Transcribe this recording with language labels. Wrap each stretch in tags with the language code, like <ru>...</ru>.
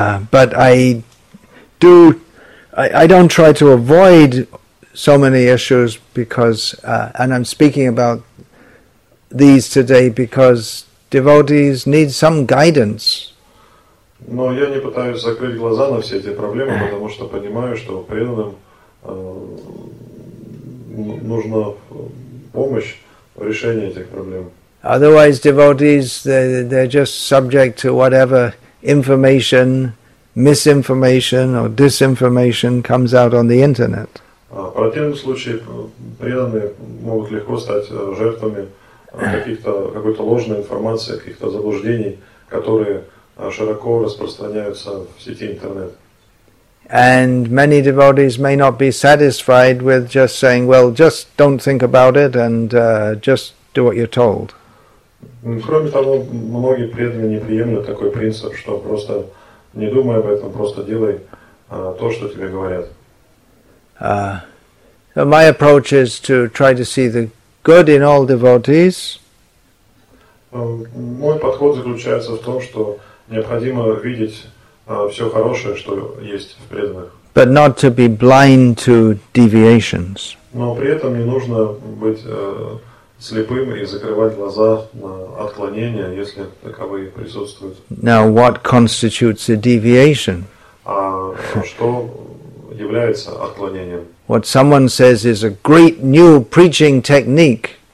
<en>But I don't try to avoid so many issues because, and I'm speaking about these today because devotees need some guidance.</en> <ru>Но я не пытаюсь закрыть глаза на все эти проблемы, потому что понимаю, что преданным нужна помощь в решении этих проблем.</ru> <en>Otherwise, devotees, they're just subject to whatever information, misinformation or disinformation comes out on the internet.</en> <ru>В противном случае преданные могут легко стать жертвами какой-то ложной информации, каких-то заблуждений, которые широко распространяются в сети интернет.</ru> <en>And many devotees may not be satisfied with just saying, well, just don't think about it and just do what you're told.</en> <ru>Кроме того, многие преданные не приемлют такой принцип, что просто не думай об этом, просто делай то, что тебе говорят.</ru> <en>My approach is to try to see the good in all devotees.</en> <ru>Мой подход заключается в том, что необходимо видеть все хорошее, что есть в преданных.</ru> <en>But not to be blind to deviations.</en> <ru>Но при этом не нужно быть слепым и закрывать глаза на отклонения, если таковые присутствуют.</ru> <en>Now, what constitutes a deviation?</en> <ru>А что является отклонением?</ru> <en>What someone says is a great new preaching technique.</en>